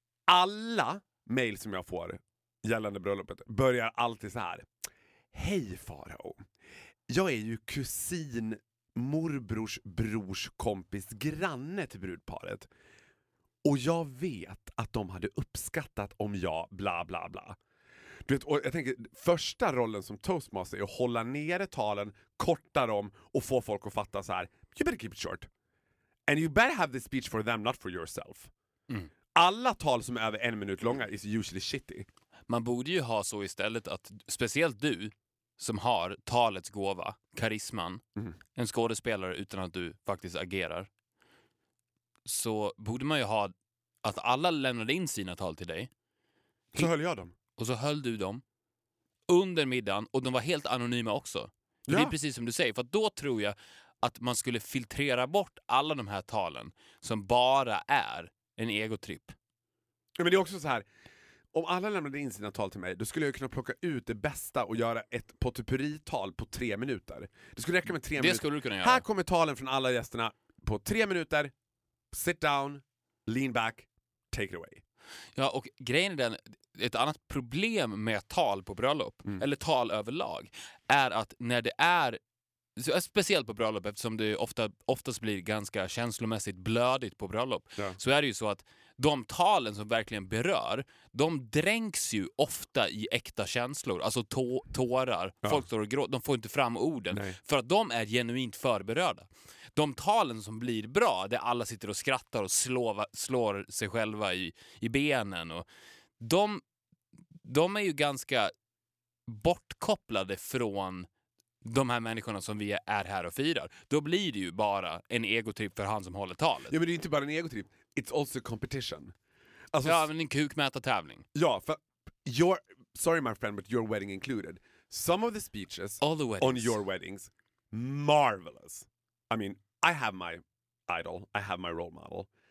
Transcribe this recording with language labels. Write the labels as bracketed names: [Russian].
[Swedish] Alla mail som jag får gällande bröllopet börjar alltid så här: hej Farao, jag är ju kusin morbrors brors kompis granne till brudparet, och jag vet att de hade uppskattat om jag bla bla bla. Du vet, och jag tänker, första rollen som toastmaster är att hålla nere talen, korta dem och få folk att fatta så här: [English] you better keep it short. And you better have this speech for them, not for yourself. Mm. [Swedish] Alla tal som är över en minut långa [English] is usually shitty. [Swedish] Man borde ju ha så istället att, speciellt du som har talets gåva, karisman, en skådespelare utan att du faktiskt agerar, så borde man ju ha att alla lämnade in sina tal till dig. Så höll jag dem. Och så höll du dem under middagen, och de var helt anonyma också. Ja. Det är precis som du säger, för då tror jag att man skulle filtrera bort alla de här talen som bara är en egotripp. Ja, men det är också så här, om alla lämnade in sina tal till mig, då skulle jag kunna plocka ut det bästa och göra ett potpurrital på 3 minuter. Det skulle räcka med 3 minuter. Det skulle du kunna göra. Här kommer talen från alla gästerna på 3 minuter. [English] Sit down, lean back, take it away. [Swedish] Ja, och grejen är den, ett annat problem med tal på bröllop, eller tal överlag, är att när det är speciellt på bröllop, eftersom det oftast blir ganska känslomässigt blödigt på bröllop, ja, så är det ju så att de talen som verkligen berör, de dränks ju ofta i äkta känslor, alltså tårar, ja, folk står och gråter, de får inte fram orden. Nej. För att de är genuint förberörda. De talen som blir bra, där alla sitter och skrattar och slår sig själva i benen, och de är ju ganska bortkopplade från de här människorna som vi är här och firar. Då blir det ju bara en egotrip för han som håller talet. Ja, men det är inte bara en egotrip. [English] It's also competition. [Swedish] Alltså, ja, men en kukmätartävling. Ja, för [English] sorry my friend, but your wedding included. Some of the speeches on your weddings, marvelous. I mean, I have my idol, I have my role model.